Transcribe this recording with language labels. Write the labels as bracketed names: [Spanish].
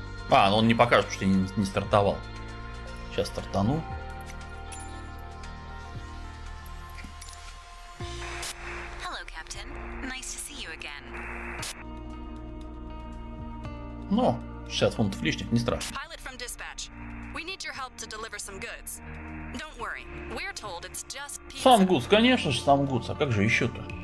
[Russian] А, он не покажет, что я не стартовал. Сейчас стартану. [English] Hello, Captain. Nice to see you again. [Russian] Ну, 60 фунтов лишних, не страшно. [English] Pilot from dispatch. We need your help to deliver some goods. Don't worry. We're told it's just pizza. [Russian] Сам Гудс, конечно же, сам Гудс. А как же еще-то?